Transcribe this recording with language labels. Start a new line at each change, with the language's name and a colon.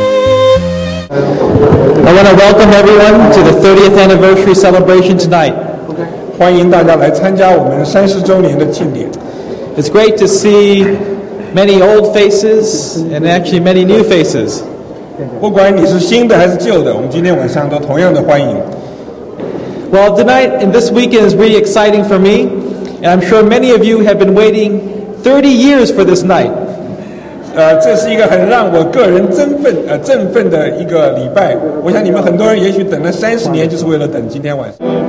English: want to welcome everyone to the 30th anniversary celebration tonight. Okay.
Chinese: 欢迎大家来参加我们30周年的庆典。
English: It's great to see many old faces and actually many new faces.
Chinese: 不管你是新的还是旧的，我们今天晚上都同样的欢迎。
English: Well, tonight and this weekend is really exciting for me, and I'm sure many of you have been waiting 30 years for this night.
Chinese: 这是一个很让我个人振奋的一个礼拜。我想你们很多人也许等了30年，就是为了等今天晚上。